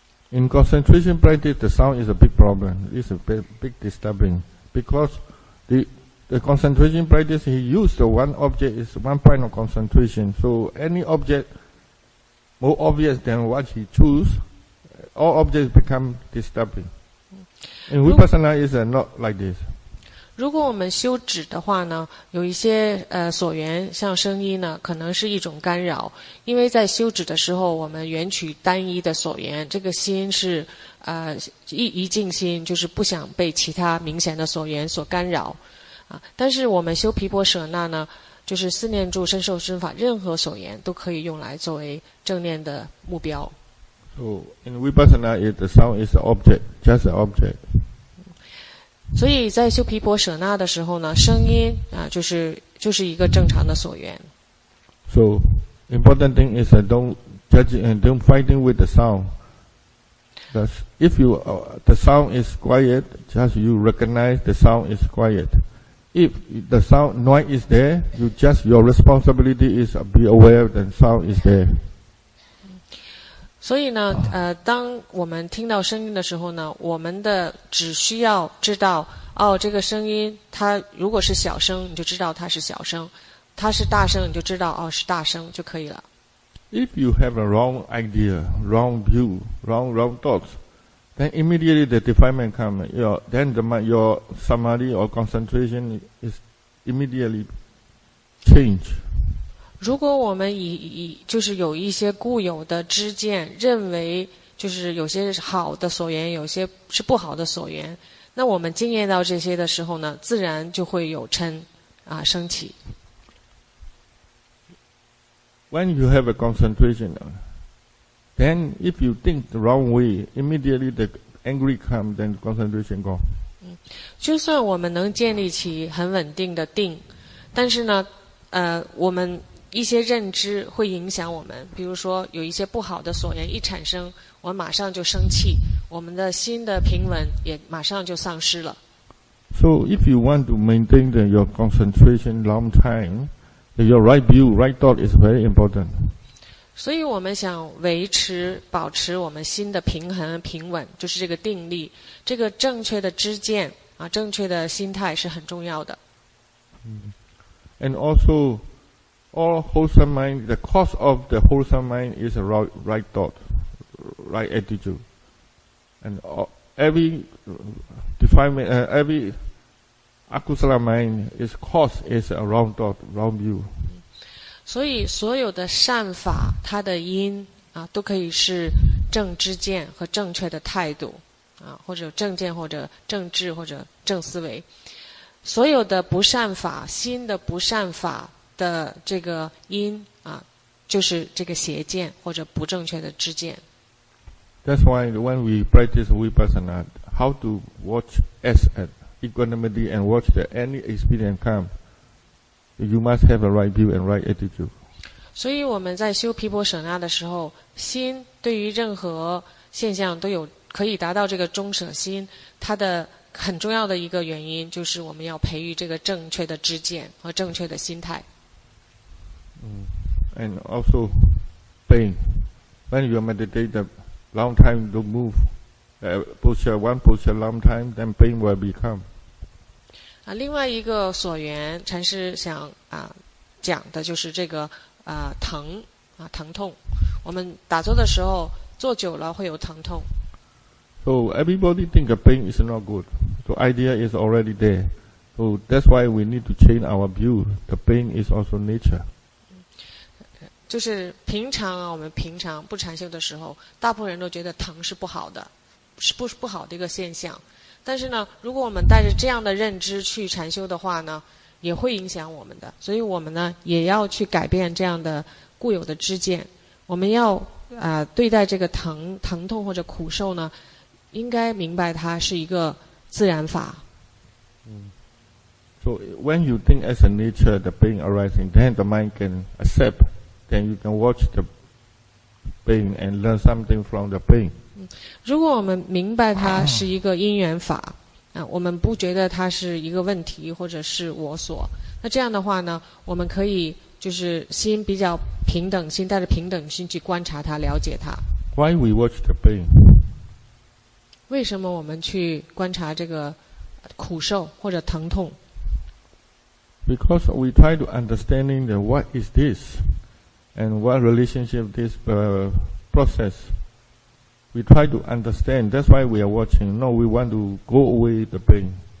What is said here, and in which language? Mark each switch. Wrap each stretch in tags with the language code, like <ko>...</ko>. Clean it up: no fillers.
<en>In concentration practice, the sound is a big problem. It's a big disturbing because the concentration practice, he used the one object is one point of concentration. So any object more obvious than what he choose, all objects become disturbing. And vipassana is not like this.</en> <zh>如果我们修止的话呢，有一些所缘，像声音呢，可能是一种干扰。因为在修止的时候，我们缘取单一的所缘，这个心是一静心，就是不想被其他明显的所缘所干扰。啊，但是我们修毗婆舍那呢，就是四念住身受身法，任何所缘都可以用来作为正念的目标。</zh> <en>So in vipassana, the sound is the object, just the object.</en> <zh>所以在修毗婆舍那的时候呢，声音啊，就是一个正常的所缘。</zh> <en>So important thing is don't judge and don't fighting with the sound. Because if you the sound is quiet, just you recognize the sound is quiet. If the sound noise is there, you just your responsibility is be aware that sound is there.</en> <zh>所以呢，当我们听到声音的时候呢，我们的只需要知道，哦，这个声音它如果是小声，你就知道它是小声；它是大声，你就知道哦是大声就可以了。</zh> <en>If you have a wrong idea, wrong view, wrong thoughts. Then immediately the defilement comes. Then your samadhi or concentration is immediately change.</en> <zh>如果我们以就是有一些固有的知见，认为就是有些是好的所缘，有些是不好的所缘，那我们经验到这些的时候呢，自然就会有嗔啊升起。</zh> <en>When you have a concentration, then if you think the wrong way, immediately the angry comes, then concentration go.</en> <zh>就算我们能建立起很稳定的定，但是呢，我们一些认知会影响我们，比如说有一些不好的所缘一产生，我马上就生气，我们的心的平稳也马上就丧失了。</zh> <en>So if you want to maintain the, your concentration long time,Your right view, right thought is very important.</en> <zh>所以我们想维持、保持我们心的平衡、平稳，就是这个定力，这个正确的知见啊，正确的心态是很重要的。</zh> <en>And also, all wholesome mind, the cause of the wholesome mind is a right thought, right attitude. And every defilement, every akusala mind is cause is a wrong thought, wrong view.</en> <zh>所以所有的善法它的因啊都可以是正知见和正确的态度啊，或者正见或者正智或者正思维，所有的不善法心的不善法的这个因啊，就是这个邪见或者不正确的知见。</zh> <en>That's why when we practice vipassana, how to watch as an equanimity and watch that any experience comeYou must have a right view and right attitude.</en> <zh>所以我们在修毗婆舍那的时候，心对于任何现象都有可以达到这个中舍心，它的很重要的一个原因就是我们要培育这个正确的知见和正确的心态。</zh> <en>And also pain. When you meditate a long time, don't move. Posture, one posture long time, then pain will become.</en> <zh>另外一个所缘禅师想讲的就是这个疼疼痛，我们打坐的时候坐久了会有疼痛。</zh> <en>So everybody think a pain is not good, so idea is already there, so that's why we need to change our view, the pain is also nature.</en> <zh>就是平常我们平常不禅修的时候，大部分人都觉得疼是不好的，是不好的一个现象，但是呢，如果我们带着这样的认知去禅修的话呢，也会影响我们的。所以我们呢，也要去改变这样的固有的知见。我们要对待这个疼痛或者苦受呢，应该明白它是一个自然法。</zh> <en>So when you think as a nature, the pain arising, then the mind can accept, then you can watch the pain and learn something from the pain.</en> <zh>如果我们明白它是一个因缘法我们不觉得它是一个问题或者是我所，那这样的话呢，我们可以就是心比较平等心，带着平等心去观察它，了解它。</zh> <en>Why we watch the pain?</en> <zh>为什么我们去观察这个苦受或者疼痛？</zh> <en>Because we try to understanding the what is this and what relationship this processWe try to understand. That's why we are watching. No, we want to go away the pain.</en>